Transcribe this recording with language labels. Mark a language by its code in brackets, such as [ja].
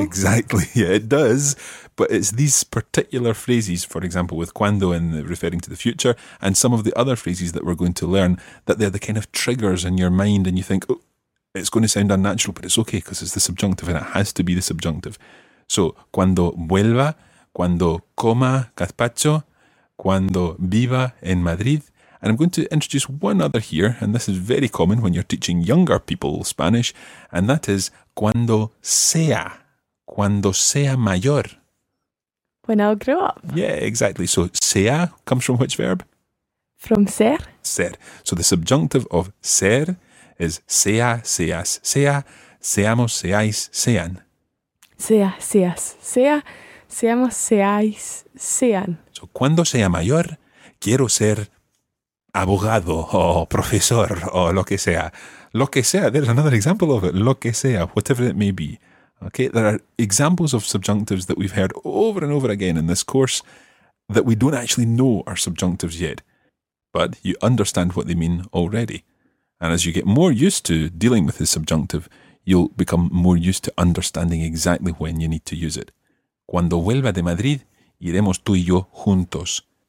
[en] Exactly. Yeah, it does. But it's these particular phrases, for example, with cuando and referring to the future, and some of the other phrases that we're going to learn, that they're the kind of triggers in your mind and you think, oh, it's going to sound unnatural, but it's okay because it's the subjunctive and it has to be the subjunctive. [es] So, cuando vuelva, cuando coma gazpacho, cuando viva en Madrid. [en] And I'm going to introduce one other here, and this is very common when you're teaching younger people Spanish, and that is [es] cuando sea mayor. [en] When I'll grow up. Yeah, exactly. So sea comes from which verb? From ser. Ser. So the subjunctive of ser is [es] sea, seas, sea, seamos, seáis, sean. Sea, seas, sea, seamos, seáis, sean. So cuando sea mayor, quiero ser abogado o profesor o lo que sea. Lo que sea, [en] there's another example of it. Lo que sea, whatever it may be. Okay, there are examples of subjunctives that we've heard over and over again in this course that we don't actually know are subjunctives yet, but you understand what they mean already. And as you get more used to dealing with the subjunctive, you'll become more used to understanding exactly when you need to use it. [es] Cuando vuelva de Madrid, iremos tú y yo juntos.